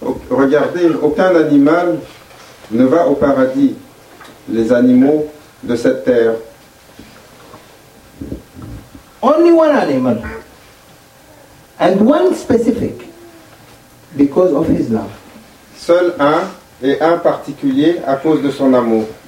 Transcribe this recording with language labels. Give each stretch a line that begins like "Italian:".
French: Regardez, aucun animal ne va au paradis, les animaux de cette terre.
English: Only one animal, and one specific, because of his love.
French: Seul un, et un particulier à cause de son amour.